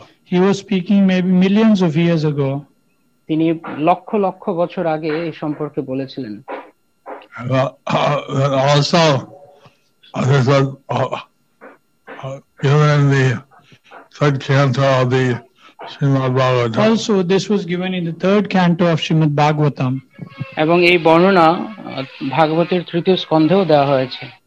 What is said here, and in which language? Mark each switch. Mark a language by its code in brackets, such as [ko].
[en] He was speaking maybe millions of years ago. [bn] তিনি লক্ষ লক্ষ বছর আগে এই সম্পর্কে বলেছিলেন। [en] Also, this was given in the third canto of the Srimad Bhagavatam. Also, this was given in the third canto of Srimad Bhagavatam. [bn] এবং এই বর্ণনা ভাগবতের তৃতীয় স্কন্ধেও দেওয়া হয়েছে।